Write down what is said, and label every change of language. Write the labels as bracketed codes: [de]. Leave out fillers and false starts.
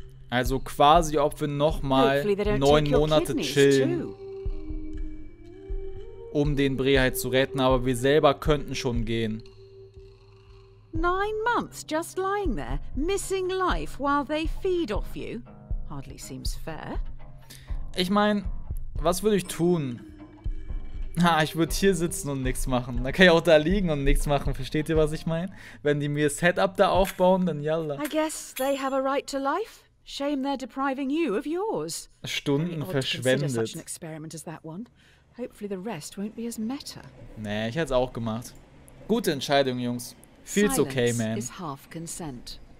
[de] Also quasi, ob wir nochmal 9 Monate chillen, um den Breheit zu retten, aber wir selber könnten schon gehen. [en] 9 months just lying there, missing life while they feed off you. Hardly seems fair. [de] Ich meine, was würde ich tun? Na, ich würde hier sitzen und nichts machen. Dann kann ich auch da liegen und nichts machen. Versteht ihr, was ich meine? Wenn die mir Setup da aufbauen, dann yalla. [en] I guess they have a right to life. Shame they're depriving you of yours. [de] Stunden verschwendet. [en] Such an experiment as that one. Hopefully the rest won't be as meta. [de] Nee, ich hätte es auch gemacht. Gute Entscheidung, Jungs. Feels okay, man. [en] Silence is half consent.